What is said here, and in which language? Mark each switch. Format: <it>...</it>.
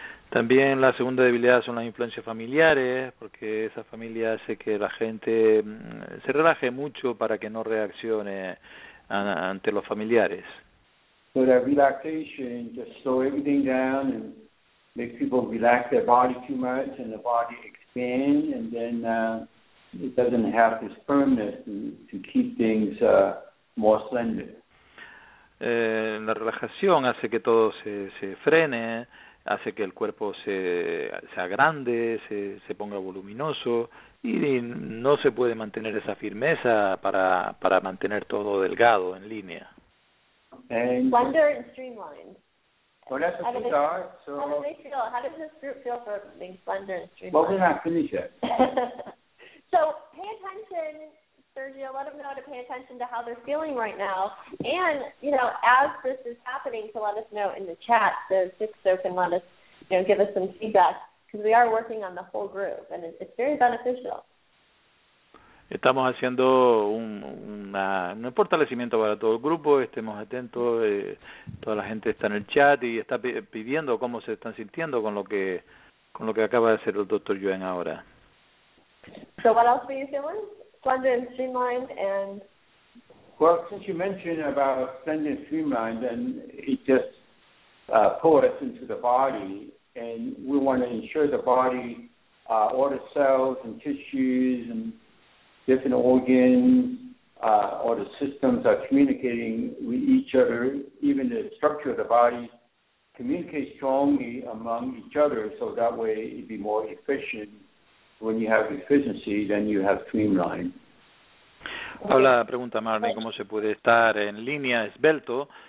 <es>También la segunda debilidad son las influencias familiares, porque esa familia hace que la gente se relaje mucho para que no reaccione ante los familiares.</es> <en>So that relaxation just slow everything down and make people relax their body too much and the body expand, and then it doesn't have this firmness to keep things more slender.</en> <es>La relajación hace que todo se frene, hace que el cuerpo se agrande, se ponga voluminoso, y no se puede mantener esa firmeza para mantener todo delgado, en línea.</es> <en>Slender and streamlined. Well, that's what they are. So how do they feel? How does this group feel for being slender and streamlined? Well, we're not finished yet. So pay attention, Sergio. Let them know to pay attention to how they're feeling right now. And, you know, as this is happening, to let us know in the chat, so Sixto can let us, you know, give us some feedback. Because we are working on the whole group, and it's very beneficial.</en> <es>Estamos haciendo un fortalecimiento para todo el grupo. Estemos atentos. Toda la gente está en el chat y está pidiendo cómo se están sintiendo con lo que acaba de hacer el Dr. Yuan ahora.</es> <en>So what else were you feeling? Slender and streamlined, and... Well, since you mentioned about slender and streamlined, and it just pulled us into the body, and we want to ensure the body, all the cells and tissues and different organs, all the systems are communicating with each other. Even the structure of the body communicates strongly among each other, so that way it'd be more efficient. When you have efficiency, then you have streamline.</en> <es>Habla la pregunta, Marley, ¿cómo se puede estar en línea esbelto?</es>